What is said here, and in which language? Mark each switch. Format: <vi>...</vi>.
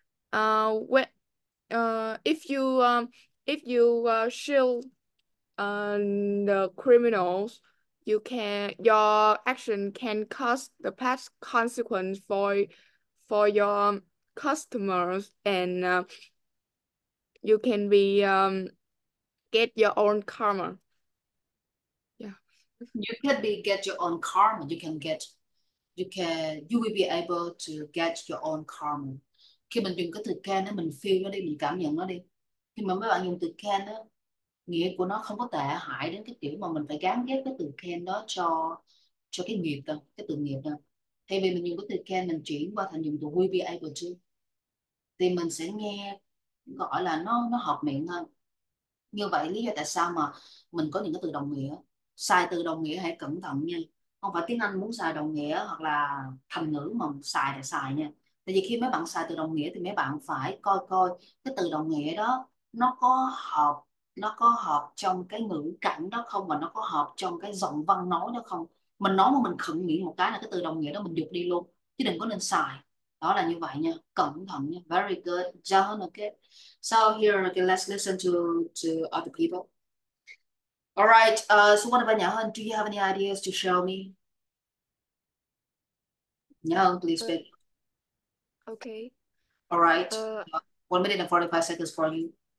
<en>When if you shield the criminals, you can your action can cause the past consequence for your customers, and you can be get your own karma. You can be get your own karma. You will be able to get your own karma.</en> <vi>Khi mình dùng cái từ can đó, mình feel nó đi, mình cảm nhận nó đi. Khi mà mấy bạn dùng từ can đó, nghĩa của nó không có tệ hại đến cái kiểu mà mình phải gán ghép cái từ can đó cho cái nghiệp đâu, cái từ nghiệp đâu. Thay vì mình dùng cái từ can, mình chuyển qua thành dùng từ</vi> <en>will be able to,</en> <vi>thì mình sẽ nghe gọi là nó hợp miệng hơn. Như vậy lý do tại sao mà mình có những cái từ đồng nghĩa, xài từ đồng nghĩa hãy cẩn thận nha, không phải tiếng Anh muốn xài đồng nghĩa hoặc là thành ngữ mà xài là xài nha. Tại vì khi mấy bạn xài từ đồng nghĩa thì mấy bạn phải coi coi cái từ đồng nghĩa đó nó có hợp trong cái ngữ cảnh đó không, và nó có hợp trong cái giọng văn nói đó không. Mình nói mà mình khựng miệng một cái là cái từ đồng nghĩa đó mình dục đi luôn, chứ đừng có nên xài. Đó là như vậy nha, cẩn thận nha.</vi> <en>Very good, John, okay. So here, okay, let's listen to other people. All right, so what about Nhã Hân? Do you have any ideas to show me? Nhã Hân, please speak. Okay. All right, 1 minute and 45 seconds for you.</en>